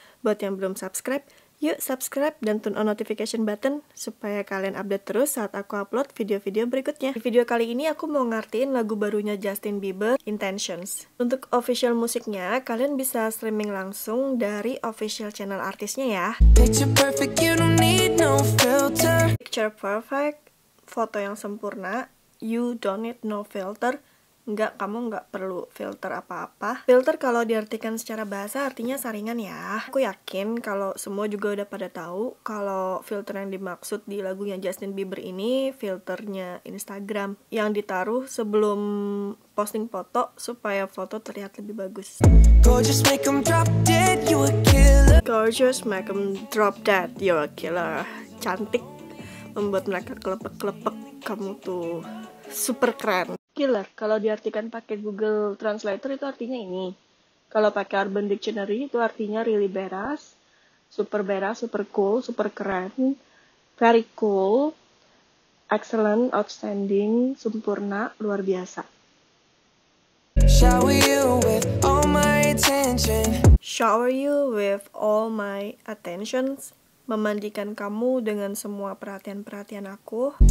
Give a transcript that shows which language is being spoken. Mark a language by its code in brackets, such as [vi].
[id] Buat yang belum subscribe, yuk subscribe dan [en] turn on notification button [id] supaya kalian update terus saat aku upload video-video berikutnya. Di video kali ini aku mau ngartiin lagu barunya Justin Bieber, Intentions. Untuk official musiknya, kalian bisa streaming langsung dari official channel artisnya ya. [en] Picture perfect, you don't need no filter. Picture perfect, [id] foto yang sempurna, [en] you don't need no filter. [id] Enggak, kamu enggak perlu filter apa-apa. Filter kalau diartikan secara bahasa artinya saringan ya. Aku yakin kalau semua juga udah pada tahu kalau filter yang dimaksud di lagunya Justin Bieber ini filternya Instagram yang ditaruh sebelum posting foto supaya foto terlihat lebih bagus. [en] Gorgeous, make 'em drop dead, you a killer. Gorgeous, make 'em drop dead, you a killer. [id] Cantik, membuat mereka kelepek-kelepek. Kamu tuh super keren. Killer, kalau diartikan pakai Google Translator itu artinya ini. Kalau pakai Urban Dictionary itu artinya [en] really badass, super cool, [id] super keren, [en] very cool, excellent, outstanding, [id] sempurna, luar biasa. [en] Shower you with all my attention. Shower you with all my attentions. [id] Memandikan kamu dengan semua perhatian-perhatian aku.